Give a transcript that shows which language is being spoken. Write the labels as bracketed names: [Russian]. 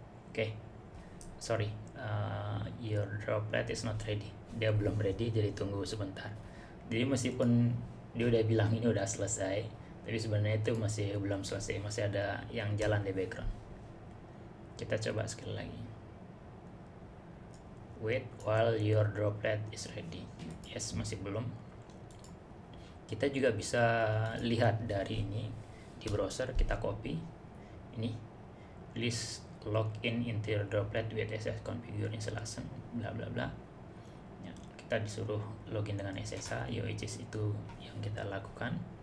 [English] Okay, sorry, your droplet is not ready. [Indonesian] Dia belum ready, jadi tunggu sebentar. Jadi meskipun dia udah bilang ini udah selesai, tapi sebenarnya itu masih belum selesai, masih ada yang jalan di background. Kita coba sekali lagi. [English] Wait while your droplet is ready. [Indonesian] Yes, masih belum. Kita juga bisa lihat dari ini di browser, kita copy ini, [English] please log in into your droplet with SSH configure installation bla bla [Indonesian] bla ya, kita disuruh login dengan SSH, yoicis itu yang kita lakukan.